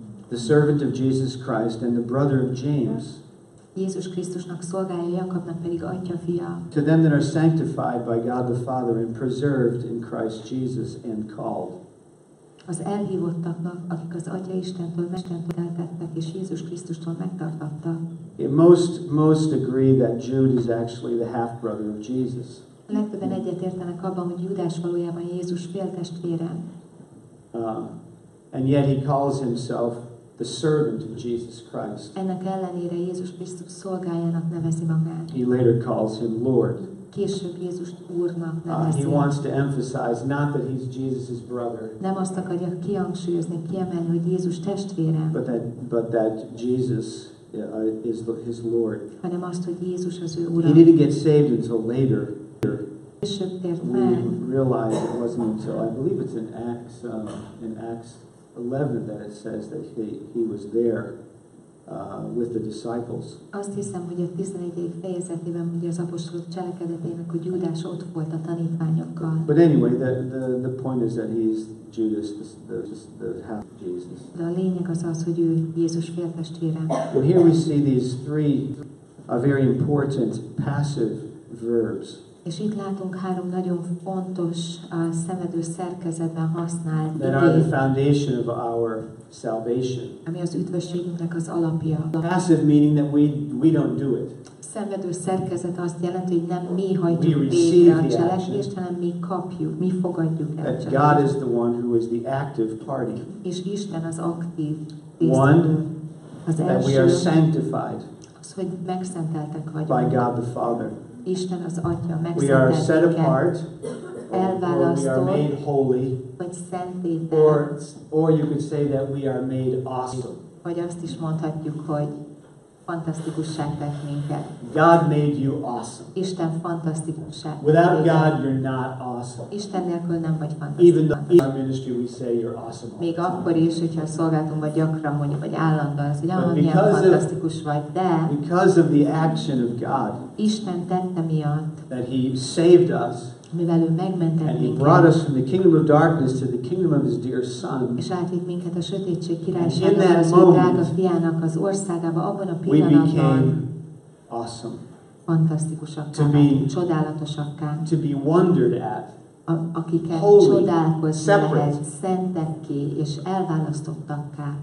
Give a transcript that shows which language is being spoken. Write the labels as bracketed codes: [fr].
[en] The servant of Jesus Christ and the brother of James. [hu] Jézus Krisztusnak szolgálja, Jakabnak pedig atya fia. [en] To them that are sanctified by God the Father and preserved in Christ Jesus and called. [hu] Az elhívottaknak, akik az Atya Istentől Mestertől eltettek és Jézus Krisztustól megtartottak. [en] Most agree that Jude is actually the half brother of Jesus. [hu] Legtöbben egyetértenek abban, hogy Judás valójában Jézus féltestvére. [en] And yet he calls himself the servant of Jesus Christ. [hu] Ennek ellenére Jézus Krisztus szolgájának nevezi magát. [en] He later calls him Lord. [hu] Később Jézus úrnak nevezi. [en] He wants to emphasize not that he's Jesus's brother. [hu] Nem azt akarja kihangsúlyozni, kiemelni, hogy Jézus testvére. [en] But that Jesus is his Lord. [hu] Hanem azt, hogy Jézus az ő ura. [en] He didn't get saved until later. [hu] Később tért meg. [en] We realize it wasn't until, I believe it's in Acts 11 that it says that he was there with the disciples. [hu] Azt hiszem, hogy a 11. fejezetében ugye az apostolok cselekedetének, hogy Judás ott volt a tanítványokkal. [en] But anyway, the point is that he's Judas, the half Jesus. [hu] De a lényeg az, hogy ő Jézus féltestvére. [en] Well, here we see these three very important passive verbs. [hu] És itt látunk három nagyon fontos szemedő szerkezetben használt [en] that idén, are the foundation of our salvation. [hu] Ami az üdvösségünknek az alapja. [en] Passive meaning that we don't do it. [hu] Szenvedő szerkezet azt jelenti, hogy nem mi hajtjuk végre a cselekvést, hanem mi kapjuk, mi fogadjuk el. [en] That God is the one who is the active party. [hu] És Isten az aktív. [en] One, [hu] az [en] that [hu] első, [en] we are sanctified [hu] az, hogy megszenteltek vagyunk. [en] By God the Father. [hu] Isten az Atya, [en] we are set apart, [hu] elválasztott, [en] or we are made holy, [hu] vagy szenté, [en] or you could say that we are made awesome. [hu] Vagy azt is mondhatjuk, hogy fantasztikussá tett minket. [en] God made you awesome. [hu] Isten fantasztikussá tett. [en] Without God, you're not awesome. [hu] Isten nélkül nem vagy fantasztikus. [en] Even though in our ministry we say you're awesome. [hu] Még akkor is, hogyha szolgáltunk vagy gyakran mondjuk vagy állandóan, az, hogy milyen fantasztikus vagy, de. [en] Because of the action of God. [hu] Isten tette miatt. [en] That He saved us. [hu] Mivel ő megmentett minket. [en] And He brought us from the kingdom of darkness to the kingdom of His dear Son. [hu] És átvitt minket a sötétség királyságába, az ő drága fiának az országába, abban a pillanatban. [en] Awesome. [hu] Fantasztikusakká, csodálatosakká. [en] To be wondered at. [hu] Akiket [en] holy, [hu] csodálkozni [en] separate. [hu] Lehet, szentekké és elválasztottakká.